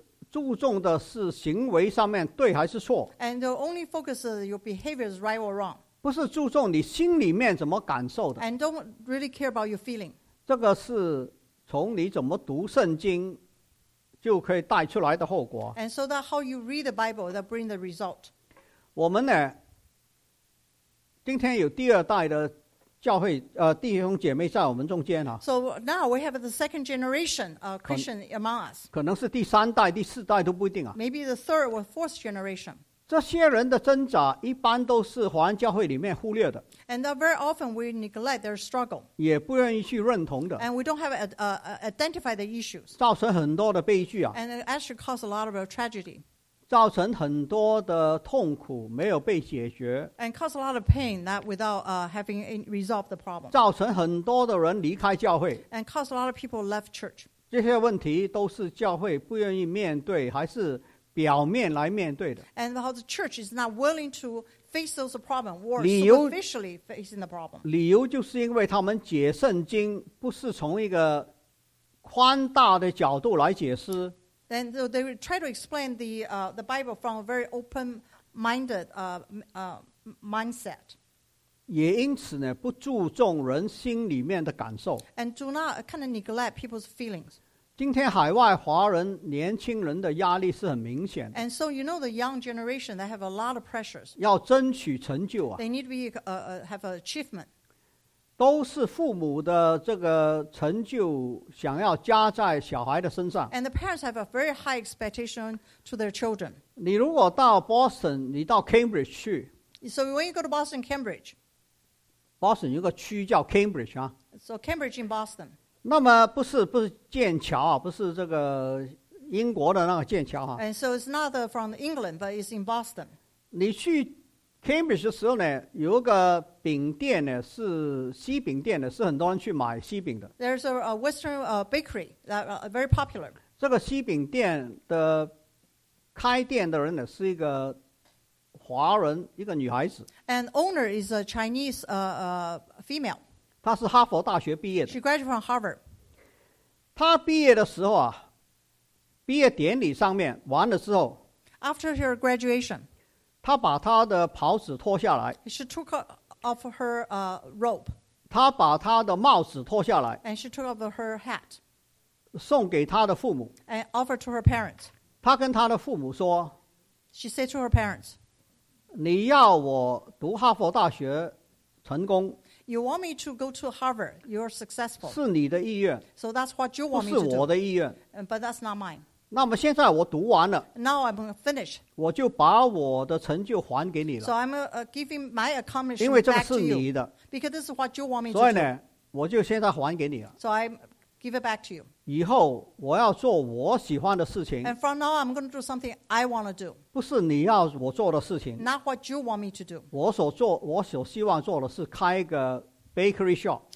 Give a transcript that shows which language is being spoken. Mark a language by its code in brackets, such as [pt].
[zh] 注重的是行为上面对还是错 [en] and the only focus of your behavior is right or wrong [zh] 不是注重你心里面怎么感受的 [en] and don't really care about your feeling [zh] 这个是从你怎么读圣经就可以带出来的后果 [en] and so that how you read the Bible that bring the result [zh] 我们呢今天有第二代的教会弟兄姐妹在我们中间啊 [en] So now we have the second generation Christian among us [zh] 可能是第三代第四代都不一定啊 [en] Maybe the third or fourth generation [zh] 这些人的挣扎一般都是华安教会里面忽略的 [en] And very often we neglect their struggle [zh] 也不愿意去认同的 [en] And we don't have identify the issues [zh] 造成很多的悲剧啊 [en] And it actually caused a lot of tragedy [zh] 造成很多的痛苦没有被解决 [en] and cause a lot of pain that without having resolved the problem [zh] 造成很多的人离开教会 [en] and cause a lot of people left church [zh] 这些问题都是教会不愿意面对还是表面来面对的 [en] and how the church is not willing to face those problems or superficially facing the problem [zh] 理由就是因为他们解圣经不是从一个宽大的角度来解释 [en] And so they will try to explain the Bible from a very open-minded mindset. [zh] 也因此呢，不注重人心里面的感受。 [en] And do not kind of neglect people's feelings. [zh] 今天海外华人年轻人的压力是很明显的。 [en] And so you know the young generation, they have a lot of pressures. [zh] 要争取成就啊。 [en] They need to be, have an achievement. [zh] 都是父母的这个成就想要加在小孩的身上 [en] and the parents have a very high expectation to their children [zh] 你如果到 Boston 你到 Cambridge 去 [en] so when you go to Boston Cambridge [zh] Boston 有个区叫 Cambridge 啊 [en] so Cambridge in Boston [zh] 那么不是剑桥啊不是这个英国的那个剑桥啊 [en] and so it's not from England but it's in Boston [zh] 你去 Cambridge 的时候呢，有个饼店呢，是西饼店呢，是很多人去买西饼的。 [en] There's a Western bakery that very popular. [zh] 这个西饼店的开店的人呢，是一个华人，一个女孩子。 [en] And owner is a Chinese female. [zh] 她是哈佛大学毕业的。 [en] She graduated from Harvard. [zh] 她毕业的时候啊，毕业典礼上面完了之后 [en] ，After her graduation. [zh] 她把她的袍子脱下来 [en] ，She took off her robe. [zh] 她把她的帽子脱下来 [en] ，And she took off her hat. [zh] 送给她的父母 [en] ，And offered to her parents. [zh] 她跟她的父母说 [en] ，She said to her parents, [zh] 你要我读哈佛大学成功 [en] ，You want me to go to Harvard. You're successful. [zh] 是你的意愿 [en] ，So that's what you want me to do. [zh] 不是我的意愿 [en] ，But that's not mine. [zh] 那么现在我读完了 [en] Now I'm finished. [zh] 我就把我的成就还给你了 [en] So I'm giving my accomplishment [zh] 因为这个是你的 [en] Because this is what you want me to do [zh] 所以呢我就现在还给你了 [en] So I give it back to you [zh] 以后我要做我喜欢的事情 [en] And from now I'm going to do something I want to do [zh] 不是你要我做的事情 [en] Not what you want me to do [zh] 我所希望做的是开一个 [en] Bakery shop.